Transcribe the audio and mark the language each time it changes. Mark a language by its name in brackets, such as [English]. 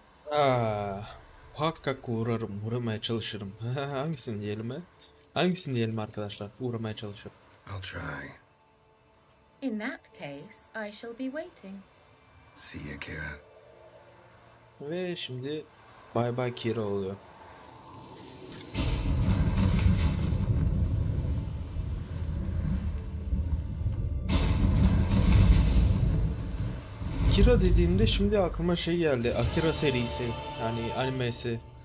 [Turkish] Muhakkak uğrarım, uğramaya çalışırım. Hangisini diyelim mi? Hangisini diyelim arkadaşlar? Uğramaya çalışırım. [English] I'll try. In that case, I shall be waiting. See you, Kira. [Turkish] Ve şimdi bye bye Kira oluyor. Akira dediğimde şimdi aklıma şey geldi, Akira serisi, yani animesi.